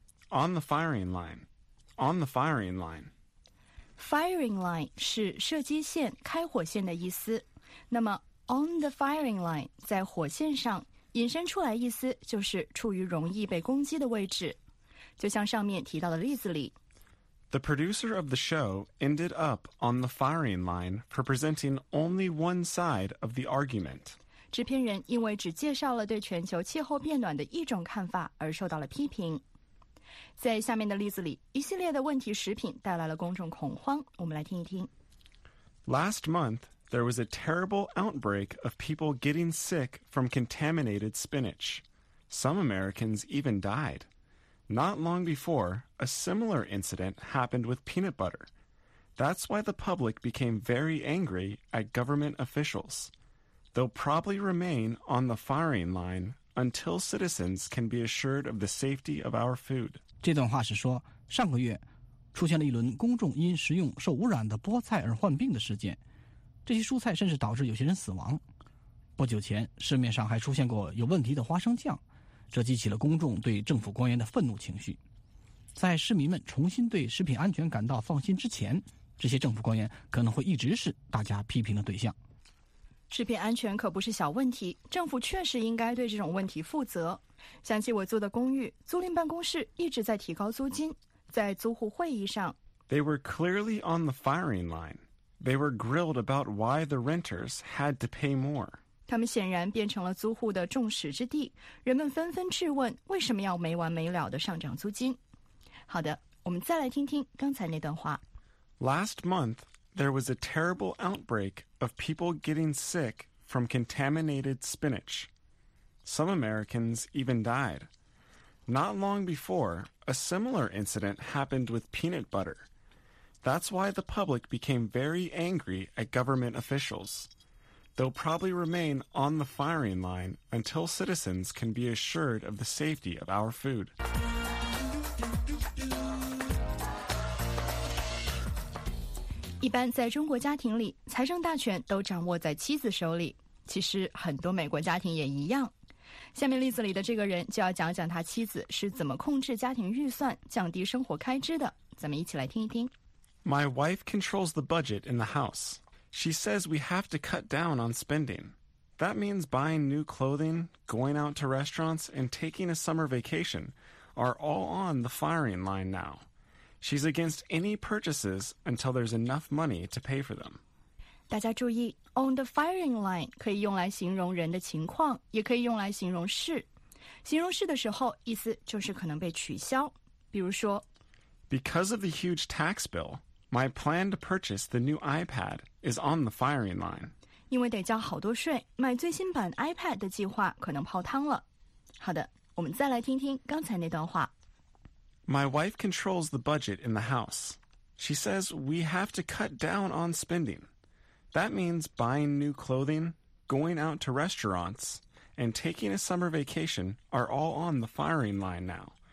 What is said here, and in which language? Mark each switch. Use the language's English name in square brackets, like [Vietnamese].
[English] On the firing line. On the firing line. [Chinese] Firing line 是射击线、开火线的意思。那么 [English] on the firing line [Chinese] 在火线上引申出来意思就是处于容易被攻击的位置。就像上面提到的例子里 [English] The producer of the show ended up on the firing line for presenting only one side of the argument. [Chinese] 制片人因为只介绍了对全球气候变暖的一种看法而受到了批评。在下面的例子里，一系列的问题食品带来了公众恐慌，我们来听一听。 [English] Last month, there was a terrible outbreak of people getting sick from contaminated spinach. Some Americans even died. Not long before, a similar incident happened with peanut butter. That's why the public became very angry at government officials. They'll probably remain on the firing line until citizens can be assured of the safety of our food. [Chinese] 这段话是说，上个月出现了一轮公众因食用受污染的菠菜而患病的事件。这些蔬菜甚至导致有些人死亡。不久前，市面上还出现过有问题的花生酱。这激起了公众对政府官员的愤怒情绪。在市民们重新对食品安全感到放心之前，这些政府官员可能会一直是大家批评的对象。食品安全可不是小问题，政府确实应该对这种问题负责。想起我租的公寓，租赁办公室一直在提高租金，在租户会议上。 [English] They were clearly on the firing line. They were grilled about why the renters had to pay more. [Chinese] 他们显然变成了租户的众矢之的，人们纷纷质问为什么要没完没了地上涨租金。好的，我们再来听听刚才那段话。 [English] Last month, there was a terrible outbreak of people getting sick from contaminated spinach. Some Americans even died. Not long before, a similar incident happened with peanut butter. That's why the public became very angry at government officials. They'll probably remain on the firing line until citizens can be assured of the safety of our food. [Chinese] 一般在中国家庭里，财政大权都掌握在妻子手里。其实很多美国家庭也一样。下面例子里的这个人就要讲讲他妻子是怎么控制家庭预算、降低生活开支的。咱们一起来听一听。 [English] My wife controls the budget in the house. She says we have to cut down on spending. That means buying new clothing, going out to restaurants, and taking a summer vacation are all on the firing line now. She's against any purchases until there's enough money to pay for them. [Chinese] 大家注意 , [English] on the firing line [Chinese] 可以用来形容人的情况，也可以用来形容事。形容事的时候，意思就是可能被取消。比如说 [English] ,Because of the huge tax bill, my plan to purchase the new iPad is on the firing line. [Chinese] 因为得交好多税，买最新版 iPad 的计划可能泡汤了。好的，我们再来听听刚才那段话。 [English] My wife controls the budget in the house. She says we have to cut down on spending. That means buying new clothing, going out to restaurants, and taking a summer vacation are all on the firing line now.